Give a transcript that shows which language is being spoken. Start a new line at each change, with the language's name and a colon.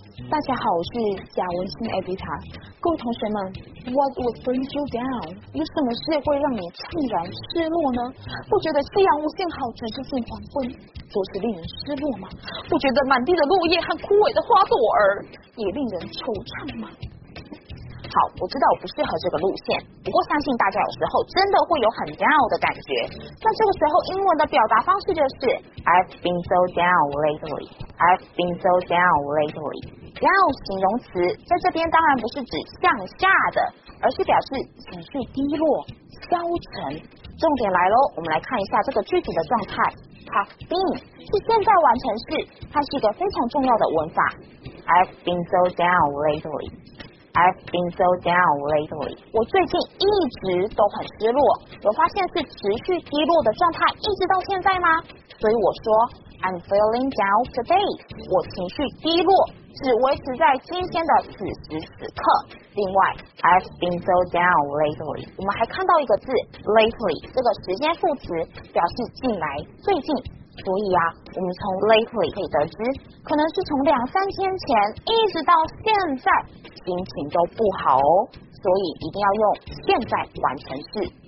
Chinese: 大家好，我是贾文馨 Evita。各位同学们，
English: What would bring you down?
Chinese: 有什么事会让你怅然失落呢？不觉得夕阳无限好，城市近黄昏总是令人失落吗？不觉得满地的落叶和枯萎的花朵儿也令人惆怅吗？好，我知道我不适合这个路线，不过相信大家有时候真的会有很 down 的感觉。那这个时候英文的表达方式就是
English: I've been so down lately. I've been so down lately.
Chinese: Down 形容词在这边当然不是指向下的，而是表示情绪低落、消沉。重点来咯，我们来看一下这个具体的状态。Have been 是现在完成式，它是一个非常重要的文法。
English: I've been so down lately. I've been so down lately.
Chinese: 我最近一直都很失落，有发现是持续低落的状态一直到现在吗？所以我说
English: I'm feeling down today.
Chinese: 我情绪低落只维持在今天的此时此刻。另外
English: I've been so down lately.
Chinese: 我们还看到一个字 lately, 这个时间副词表示近来、最近。所以啊，我们从 lately 可以得知，可能是从两三天前一直到现在心情都不好哦，所以一定要用现在完成式。